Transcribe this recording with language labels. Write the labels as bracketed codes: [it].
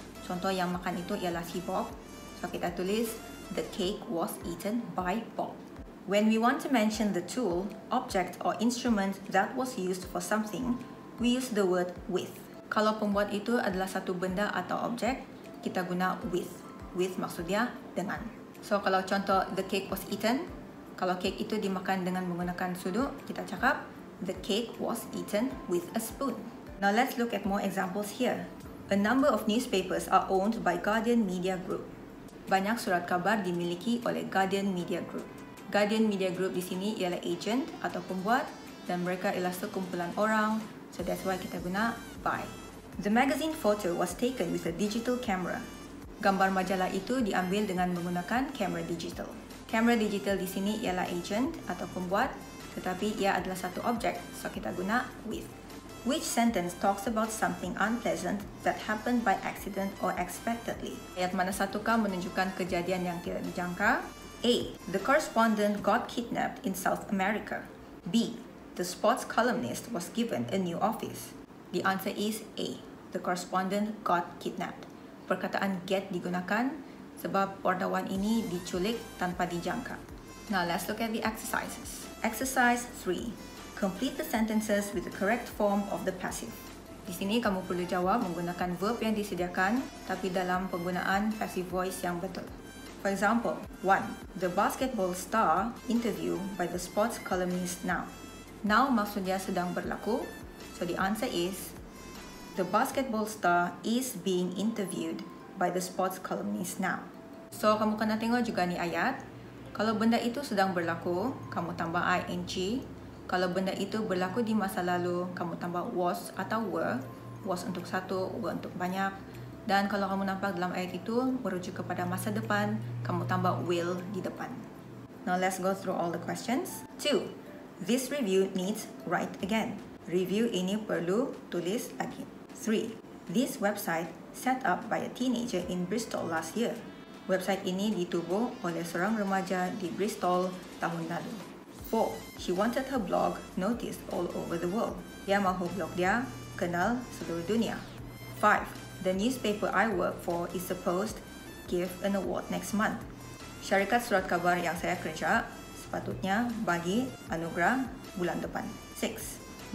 [ms] Contoh yang makan itu ialah si Bob. [en] So, [ms] kita tulis, [en] the cake was eaten by Bob. When we want to mention the tool, object, or instrument that was used for something, we use the word with. [ms] Kalau pembuat itu adalah satu benda atau objek, kita guna with. With maksudnya dengan. So, kalau contoh [en] the cake was eaten, [ms] kalau cake itu dimakan dengan menggunakan sudu, kita cakap [en] the cake was eaten with a spoon. Now, let's look at more examples here. A number of newspapers are owned by Guardian Media Group. [ms] Banyak surat kabar dimiliki oleh Guardian Media Group. Guardian Media Group di sini ialah agent atau pembuat dan mereka ialah sekumpulan orang, [en] so that's why [ms] kita guna by. [en] The magazine photo was taken with a digital camera. [ms] Gambar majalah itu diambil dengan menggunakan kamera digital. Kamera digital di sini ialah agent atau pembuat, tetapi ia adalah satu objek, so kita guna with. [en] Which sentence talks about something unpleasant that happened by accident or expectedly? [ms] Ayat mana satukah menunjukkan kejadian yang tidak dijangka? A. [en] The correspondent got kidnapped in South America. B. The sports columnist was given a new office. The answer is A. The correspondent got kidnapped. [ms] Perkataan get digunakan sebab wartawan ini diculik tanpa dijangka. [en] Now let's look at the exercises. Exercise 3. Complete the sentences with the correct form of the passive. [ms] Di sini kamu perlu jawab menggunakan verb yang disediakan tapi dalam penggunaan passive voice yang betul. [en] For example, 1. The basketball star interviewed by the sports columnist now. [ms] Now maksudnya sedang berlaku. [en] So the answer is, the basketball star is being interviewed by the sports columnist now. [ms] So kamu kena tengok juga ni ayat. Kalau benda itu sedang berlaku, kamu tambah ing. Kalau benda itu berlaku di masa lalu, kamu tambah was atau were. Was untuk satu, were untuk banyak. Dan kalau kamu nampak dalam ayat itu merujuk kepada masa depan, kamu tambah will di depan. [en] Now let's go through all the questions. 2. This review needs write again. [ms] Review ini perlu tulis lagi. 3. [en] This website set up by a teenager in Bristol last year. [ms] Website ini ditubuh oleh seorang remaja di Bristol tahun lalu. 4. [en] She wanted her blog noticed all over the world. [ms] Dia mahu blog dia kenal seluruh dunia. 5. [en] The newspaper I work for is supposed to give an award next month. [ms] Syarikat surat khabar yang saya kerja sepatutnya bagi anugerah bulan depan. 6.